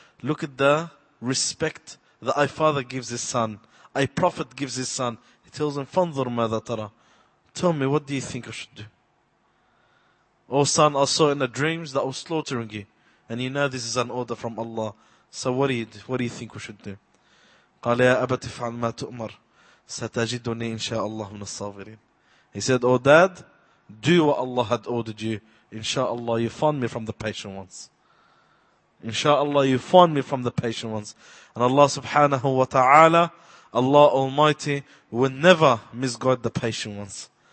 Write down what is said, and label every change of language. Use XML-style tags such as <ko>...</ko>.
<en>Look at the respect that a father gives his son. A prophet gives his son. He tells him, Fanzur madha tara. Tell me, what do you think I should do? O son, I saw in the dreams that I was slaughtering you. And you know this is an order from Allah. So what do you think we should do?</en> <ar>قال يا أبت فعل ما تؤمر ستجدني إن شاء الله من الصابرين.</ar> <en>He said, O dad, do what Allah had ordered you. Inshallah, you find me from the patient ones. Inshallah, you find me from the patient ones. And Allah subhanahu wa ta'ala, Allah Almighty, will never misguide the patient ones.</en>